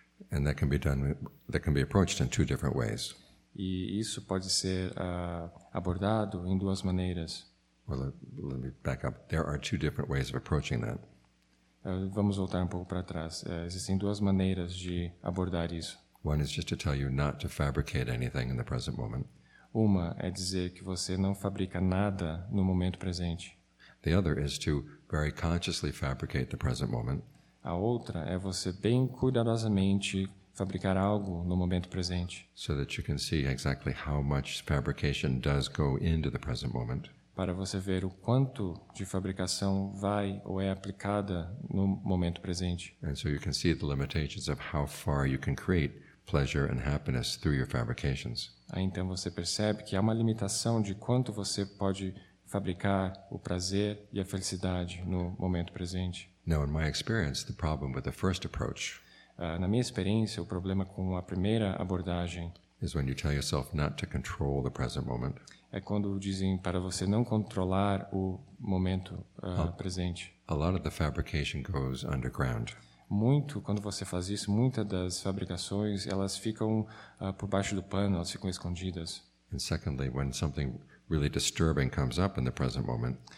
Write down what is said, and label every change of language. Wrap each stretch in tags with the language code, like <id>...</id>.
<en>And that can be done, that can be approached in two different ways.</en> <pt>E isso pode ser abordado em duas maneiras.</pt> <en>Well, let me back up. There are two different ways of approaching that.</en> <pt>Vamos voltar um pouco para trás. Existem duas maneiras de abordar isso.</pt> <en>One is just to tell you not to fabricate anything in the present moment.</en> <pt>Uma é dizer que você não fabrica nada no momento presente.</pt> <en>The other is to very consciously fabricate the present moment.</en> <pt>A outra é você bem cuidadosamente fabricar algo no momento presente.</pt> <en>So that you can see exactly how much fabrication does go into the present moment.</en> <pt>Para você ver o quanto de fabricação vai ou é aplicada no momento presente.</pt> <en>And so you can see the limitations of how far you can create pleasure and happiness through your fabrications.</en> <pt>Aí então você percebe que há uma limitação de quanto você pode fabricar o prazer e a felicidade no momento presente.</pt> <en>Now, in my experience, the problem with the first approach.</en> <pt>Na minha experiência, o problema com a primeira abordagem</pt> <en>is when you tell yourself not to control the present moment.</en> <pt>É quando dizem para você não controlar o momento presente.</pt> <en>A lot of the fabrication goes underground.</en> <pt>Muito, quando você faz isso, muitas das fabricações, elas ficam por baixo do pano, elas ficam escondidas.</pt> <en>And secondly, when something really disturbing comes up in the present moment.</en>